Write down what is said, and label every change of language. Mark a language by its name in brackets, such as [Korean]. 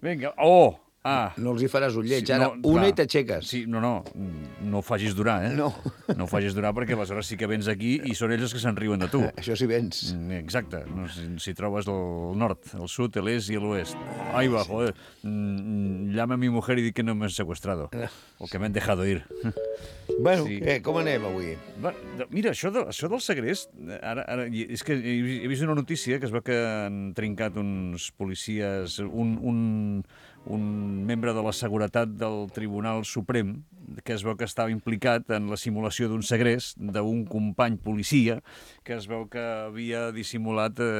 [Catalan] Vinga, oh! Ah. No els hi faràs un lleig. Sí, ara, no, una i t'aixeques. Sí, no, no, no ho facis durar, eh? No. No ho facis durar perquè aleshores sí que vens aquí i són ells els que se'n riuen de tu. Això sí, vens. Exacte. No, si trobes el nord, el sud, l'est i l'oest. Ai, va, sí. Joder. [Spanish] Llama a mi mujer [Catalan] i dic que no m'han [Spanish] secuestrado. O que m'han dejado ir. [Catalan] Bueno, sí. Com anem avui? Va, mira, això del segrest, ara, és que he vist una notícia que es veu que han trincat uns policies, un membre de la seguretat del Tribunal Suprem, que es veu que estava implicat en la simulació d'un segrest d'un company policia, que es veu que havia dissimulat...